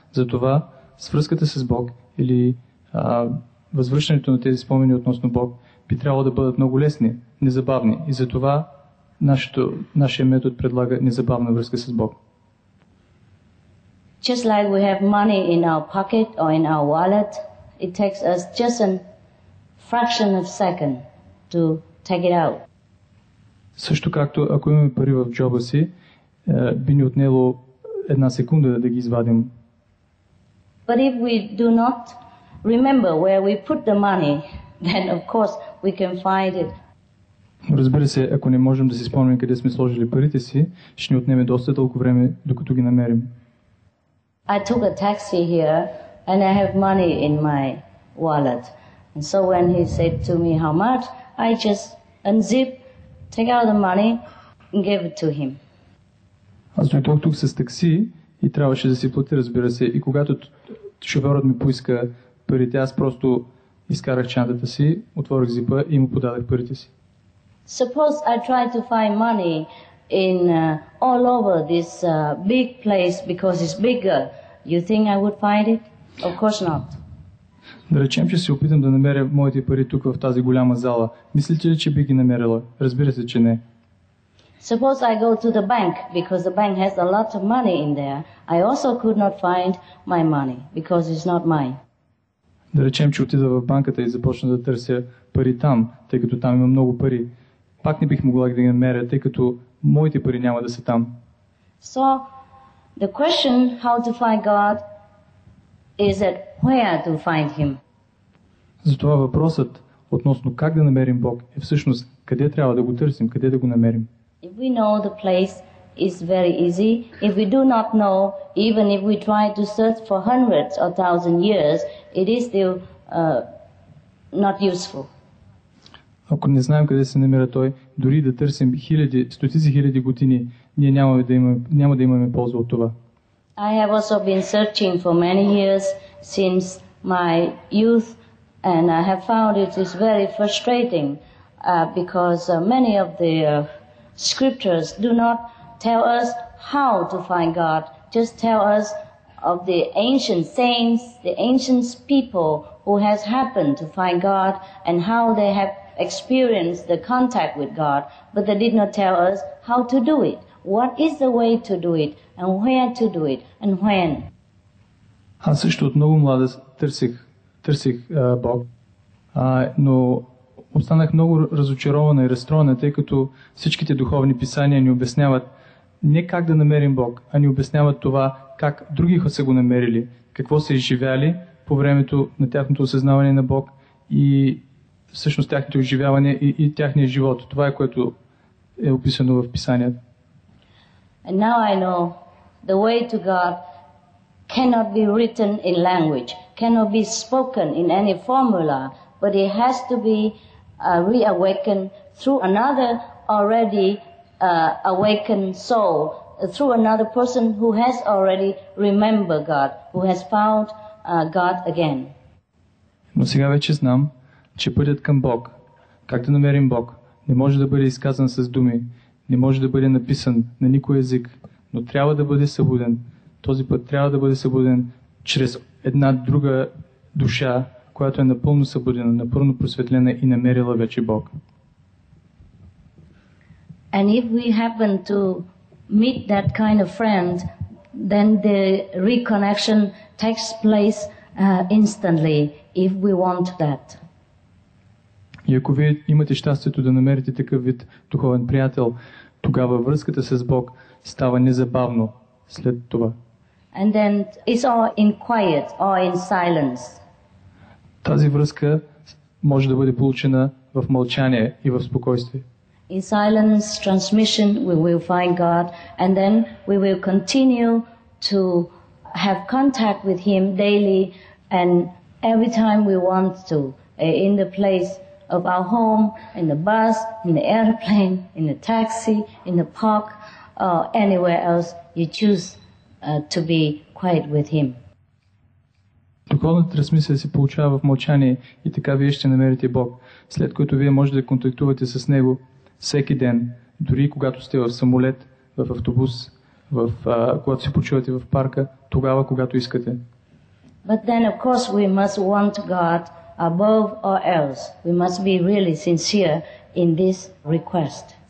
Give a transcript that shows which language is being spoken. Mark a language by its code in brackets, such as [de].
[bg] Затова свръзката с Бог или възвръщането на тези спомени относно Бог би трябвало да бъдат много лесни, незабавни. И затова нашия метод предлага незабавна връзка с Бог. [en] Just like we have money in our pocket or in our wallet, it takes us just a fraction of a second to take it out. [bg] Също както ако имаме пари в джоба си, би ни отнело една секунда да ги извадим. [en] But if we do not remember where we put the money, then of course we can find it. [bg] Разбира се, ако не можем да си спомним къде сме сложили парите си, ще ни отнеме доста дълго време, докато ги намерим. [en] I took a taxi here and I have money in my wallet. And so when he said to me how much, I just unzip, take out the money and gave it to him. [bg] Аз дойдох тук с такси и трябваше да си плати, разбира се, и когато шофьорът ми поиска парите, аз просто изкарах чантата си, отворих зипа и му подадах парите си. [en] Suppose I try to find money in all over this big place because it's bigger. You think I would find it? Of course not. [bg] Да речем, че се опитам да намеря моите пари тук в тази голяма зала. Мислите ли, че би ги намерила? Разбира се, че не. [en] Suppose I go to the bank because the bank has a lot of money in there. I also could not find my money because it's not mine. [bg] Да речем, че отида в банката и започна да търся пари там, тъй като там има много пари. Пак не бих могла да ги намеря, тъй като моите пари няма да са там. [en] So the question how to find God is that where to find him. [bg] Затова въпросът относно как да намерим Бог е всъщност къде трябва да го търсим, къде да го намерим. [en] If we know the place is very easy, if we do not know, even if we try to search for hundreds or thousand years, it is still not useful. [bg] Ако не знаем къде се намира той, дори да търсим хиляди, стотици хиляди години, ние няма да имаме полза от това. [en] I have also been searching for many years since my youth and I have found it is very frustrating because many of the scriptures do not tell us how to find God, just tell us of the ancient saints, the ancient people who has happened to find God and how they have experienced the contact with God, but they did not tell us how to do it. What is the way to do it and where to do it and when? [bg] Аз също от много млада търсих Бог, но останах много разочарована и разстроена, тъй като всичките духовни писания ни обясняват не как да намерим Бог, а ни обясняват това как други хора са го намерили, какво са изживяли по времето на тяхното осъзнаване на Бог и всъщност тяхните оживявания и тяхния живот. Това е което е описано в писанията. [en] And now I know the way to God cannot be written in language, cannot be spoken in any formula, but it has to be reawakened through another already awakened soul, through another person who has already remembered God, who has found God again. [bg] Но сега вече знам, че пътят към Бог, как да намерим Бог, не може да бъде изказан с думи, не може да бъде написан на никой език, но трябва да бъде събуден. Този път трябва да бъде събуден чрез една друга душа, която е напълно събудена, напълно просветлена и намерила вече Бог. [en] And if we happen to meet that kind of friend, then the reconnection takes place instantly, if we want that. [bg] И ако вие имате щастието да намерите такъв вид духовен приятел, тогава връзката с Бог става незабавно след това. [en] And then it's all in quiet or in silence. [bg] Тази връзка може да бъде получена в мълчание и в спокойствие. [en] In silence transmission we will find God and then we will continue to have contact with him daily and every time we want to in the place of our home, in the bus, in the airplane, in the taxi, in the park, or anywhere else you choose to be quiet with him. [bg] Духовната трансмисия се получава в мълчание и така вие ще намерите Бог, след което вие можете да контактувате с Него всеки ден, дори когато сте в самолет, в автобус, когато се почувате в парка, тогава, когато искате. [en] But then, of course, we must want God above or else. We must be really sincere in this request.